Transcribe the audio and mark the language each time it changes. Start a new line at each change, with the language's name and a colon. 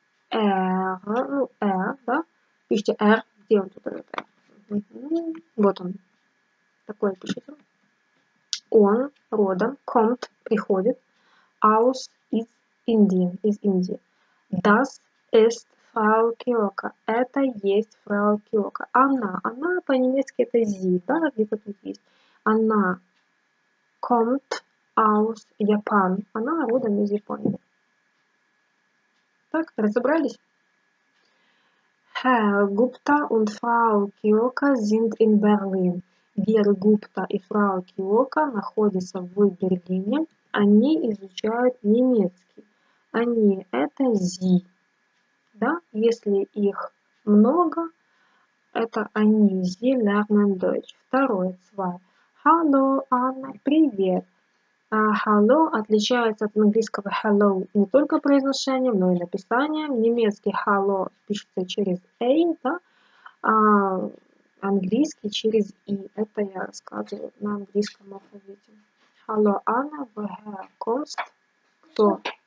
Russian: Er, ну, er, да? Пишите er. Где он тут? Вот он. Такое пишите. Он родом,
German: kommt,
Russian: приходит,
German: aus
Russian: из Индии, из Индии.
German: Das ist Frau Kioka.
Russian: Это есть
German: Frau Kioka.
Russian: Она по-немецки это
German: sie,
Russian: да, где-то тут есть. Она
German: kommt aus Japan.
Russian: Она родом из Японии. Так, разобрались?
German: Herr Gupta und Frau Kioka sind in Berlin.
Russian: Герр Гупта и фрау Киока находятся в Берлине. Они изучают немецкий. Они это зи. Да? Если их много, это они
German: зи лернен дойч.
Russian: Второе,
German: цвай.
Russian: Hallo, Анна, привет. Hallo отличается от английского hello не только произношением, но и написанием. Немецкий hallo пишется через эй, да? Английский через «и». Это я рассказываю на английском алфавите.
German: Hallo, Anna, woher kommst du?